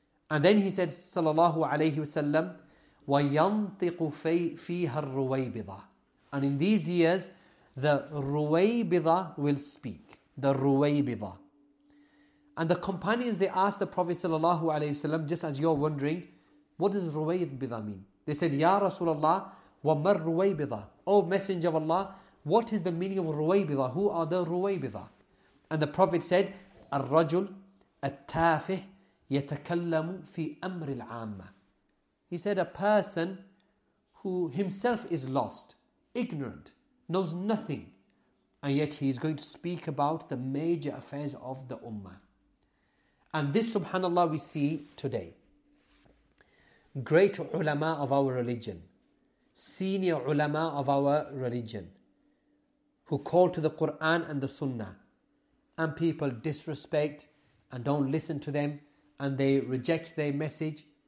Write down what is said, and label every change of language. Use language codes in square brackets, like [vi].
[en] And then he said, sallallahu alayhi wasallam, [ar] وَيَنْطِقُ فِيهَا الرُّوَيْبِضَةِ, [en] and in these years, the ruwaybida will speak. The ruwaybida. And the companions, they asked the Prophet sallallahu alayhi wasallam, just as you're wondering, what does ruwaybida mean? They said, Ya Rasulullah, [ar] وَمَا الرُّوَيْبِضَةِ, [en] O Messenger of Allah, what is the meaning of ruwaybida? Who are the ruwaybida? And the Prophet said, [ar] الرجل التافه يتكلم في أمر العامة. [en] He said, a person who himself is lost, ignorant, knows nothing, and yet he is going to speak about the major affairs of the Ummah. And this, subhanAllah, we see today. Great ulama of our religion, senior ulama of our religion, who call to the Quran and the Sunnah, and people disrespect and don't listen to them, and they reject their message.